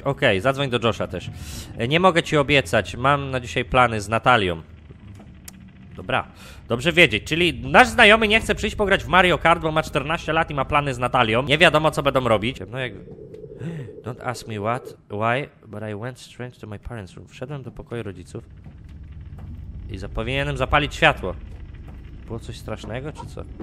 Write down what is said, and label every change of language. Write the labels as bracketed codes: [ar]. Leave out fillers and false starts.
[pl] Okej, okay, zadzwoń do Josha też. Nie mogę ci obiecać. Mam na dzisiaj plany z Natalią. Dobra. Dobrze wiedzieć. Czyli nasz znajomy nie chce przyjść pograć w Mario Kart, bo ma 14 lat i ma plany z Natalią. Nie wiadomo, co będą robić. No jak... [en] Don't ask me what, why, but I went straight to my parents' room. [pl] Wszedłem do pokoju rodziców. I powinienem zapalić światło. Było coś strasznego, czy co?